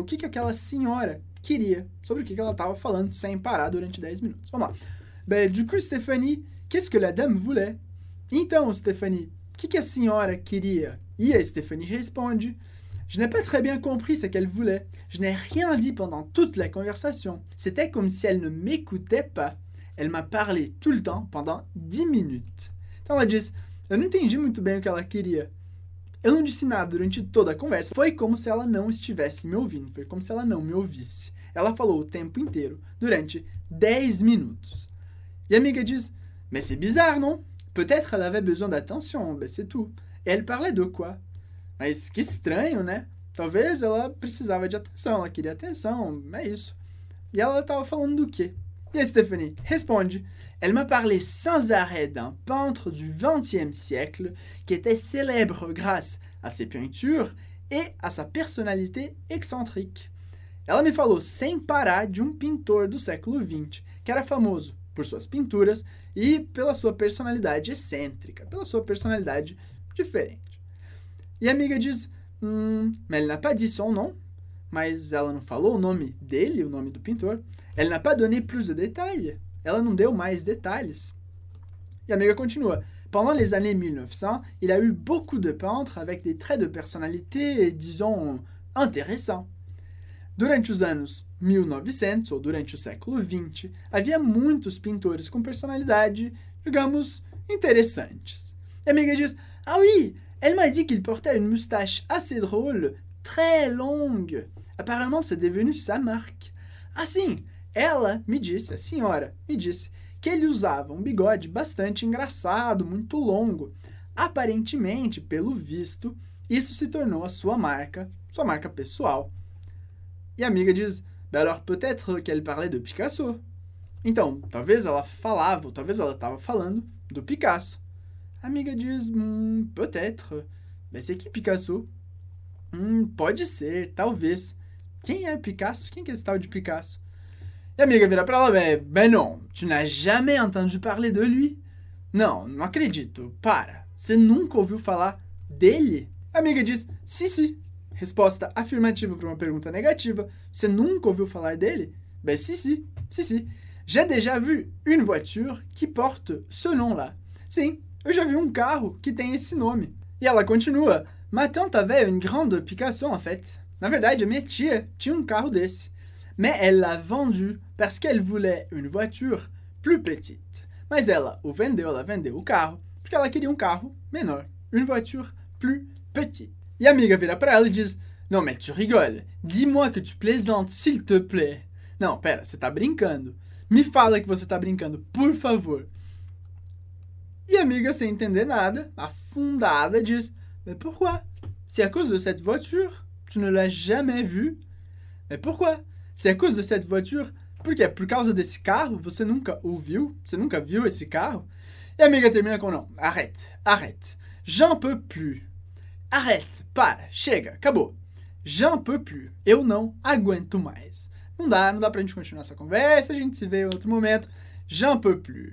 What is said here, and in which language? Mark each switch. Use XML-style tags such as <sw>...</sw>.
<pt>O que que aquela senhora queria? Sobre o que que ela estava falando sem parar durante 10 minutos. Vamos lá.</pt> <fr>Ben, du coup, Stéphanie, qu'est-ce que la dame voulait?</fr> <pt>Então, Stéphanie, o que que a senhora queria? E a Stéphanie responde.</pt> <fr>Je n'ai pas très bien compris ce qu'elle voulait. Je n'ai rien dit pendant toute la conversation. C'était comme si elle ne m'écoutait pas. Elle m'a parlé tout le temps pendant 10 minutes.</fr> <pt>Então ela diz, eu não entendi muito bem o que ela queria. Eu não disse nada durante toda a conversa. Foi como se ela não estivesse me ouvindo. Foi como se ela não me ouvisse. Ela falou o tempo inteiro durante 10 minutos. E a amiga diz,</pt> <fr>mais c'est bizarre, non? Peut-être elle avait besoin d'attention, ben c'est tout. Et elle parlait de quoi?</fr> <pt>Mas que estranho, né? Talvez ela precisava de atenção, ela queria atenção, é isso. E ela estava falando do quê? E a Stéphanie responde,</pt> <fr>elle m'a parlé sans arrêt d'un peintre du XXe siècle qui était célèbre grâce à ses peintures et à sa personnalité excentrique.</fr> <pt>Ela me falou sem parar de um pintor do século XX, que era famoso por suas pinturas e pela sua personalidade excêntrica, pela sua personalidade diferente. E a amiga diz, mas ela não falou seu nome, mas ela não falou o nome dele, o nome do pintor. Ela não</pt> <fr>donné plus de détails,</fr> <pt>ela não deu mais detalhes. E a amiga continua,</pt> <fr>pendant les années 1900, il a eu beaucoup de peintres avec des traits de personnalité, disons, intéressants.</fr> <pt>Durante os anos 1900, ou durante o século 20, havia muitos pintores com personalidade, digamos, interessantes. E a amiga diz,</pt> <fr>ah oui! Elle m'a dit qu'il portait une moustache assez drôle, très longue. Apparemment, c'est devenu sa marque.</fr> <pt>Ah, sim, ela me disse, a senhora me disse, que ele usava um bigode bastante engraçado, muito longo. Aparentemente, pelo visto, isso se tornou a sua marca pessoal. E a amiga diz,</pt> <fr>ben alors peut-être qu'elle parlait de Picasso.</fr> <pt>Então, talvez ela falava, ou talvez ela estava falando do Picasso. A amiga diz,</pt> <fr>peut-être,</fr> <pt>mas</pt> <fr>c'est qui Picasso?</fr> <pt>Pode ser, talvez. Quem é Picasso? Quem é esse tal de Picasso? E a amiga vira pra ela,</pt> <fr>ben non, tu n'as jamais entendu parler de lui?</fr> <pt>Não, não acredito, para, você nunca ouviu falar dele? A amiga diz, si, si, resposta afirmativa para uma pergunta negativa, você nunca ouviu falar dele?</pt> <fr>Ben si, si, si, si, j'ai déjà vu une voiture qui porte ce nom-là.</fr> <pt>Sim. Eu já vi um carro que tem esse nome. E ela continua.</pt> <fr>Ma tante avait une grande Picasso, en fait.</fr> <pt>Na verdade, a minha tia tinha um carro desse.</pt> <fr>Mais elle l'a vendu parce qu'elle voulait une voiture plus petite.</fr> <pt>Mas ela vendeu o carro, porque ela queria um carro menor.</pt> <fr>Une voiture plus petite.</fr> <pt>E a amiga vira pra ela e diz.</pt> <fr>Non, mais tu rigoles. Dis-moi que tu plaisantes, s'il te plaît.</fr> <pt>Não, pera, você tá brincando. Me fala que você tá brincando, por favor. E a amiga, sem entender nada, afundada, diz,</pt> <fr>mais pourquoi? C'est à cause de cette voiture? Tu ne l'as jamais vue? Mais pourquoi? C'est à cause de cette voiture?</fr> <pt>Por quê? Por causa desse carro? Você nunca ouviu? Você nunca viu esse carro? E a amiga termina com, não,</pt> <fr>arrête, arrête. J'en peux plus. Arrête,</fr> <pt>para, chega, acabou.</pt> <fr>J'en peux plus.</fr> <pt>Eu não aguento mais. Não dá pra gente continuar essa conversa, a gente se vê em outro momento, já um peu plus.</pt>